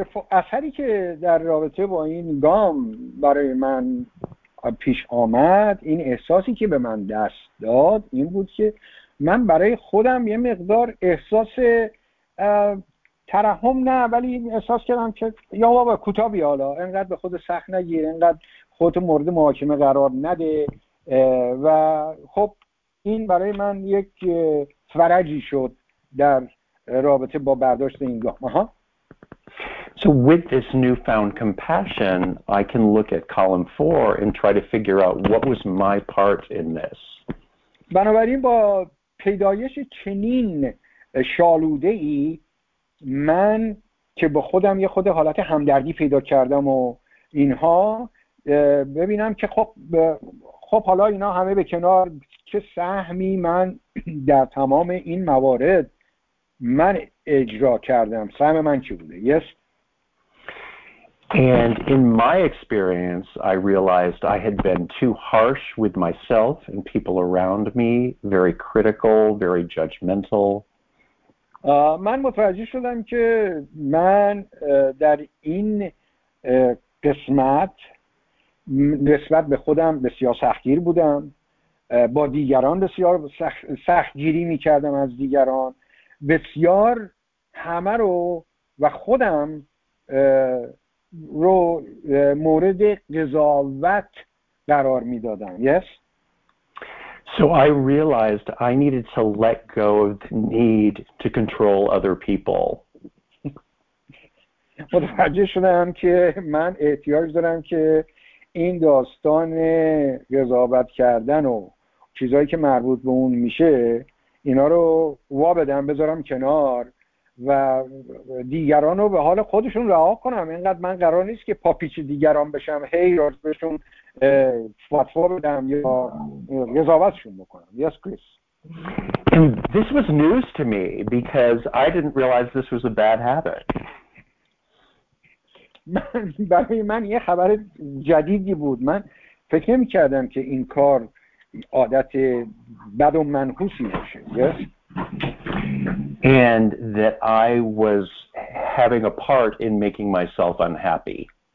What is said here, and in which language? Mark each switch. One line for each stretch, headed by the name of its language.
Persian: اثری که در رابطه با این گام برای من پیش آمد، این احساسی که به من دست داد این بود که من برای خودم یه مقدار احساس ترحم، نه ولی احساس کردم که یا بابا کوتاه بیا، حالا اینقدر به خود سخت نگیر، اینقدر خودت مورد محاکمه قرار نده. و خب این برای من یک فرجی شد در رابطه با برداشت این گام.
English: So with this newfound compassion, I can look at column 4 and try to figure out what was my part in this.
Persian: بنابراین با پیدایش چنین شالوده‌ای، من که با خودم یه خود حالت همدردی پیدا کردم و اینها، ببینم که خب حالا اینا همه به کنار، چه سهمی من در تمام این موارد من اجرا کردم، سهم من چی بوده.
English: Yes? And in my experience, I realized I had been too harsh with myself and people around me, very critical, very judgmental.
Persian: من متوجه شدم که من در این قسمت نسبت به خودم بسیار سختگیر بودم، با دیگران بسیار سختگیری می کردم، از دیگران بسیار همه رو و خودم رو مورد قضاوت قرار میدادم.
English: Yes? So I realized I needed to let go of the need to control other people.
Persian: متوجه شدم که من احتیاج دارم که این داستان قضاوت کردن و چیزایی که مربوط به اون میشه اینا رو وا بدم، بذارم کنار و دیگران رو به حال خودشون رها کنم. اینقدر من قرار نیست که پاپیچ دیگران بشم، هی راست بهشون فتوا بدم یا قضاوتشون بکنم.
English: Yes, Chris. And this was news to me because I didn't realize this was a bad habit.
Persian: برای من یه خبر جدیدی بود. من فکر نمی کردم که این کار عادت بد و منحوسی باشه.
English: Yes. And that I was having a part in making myself unhappy.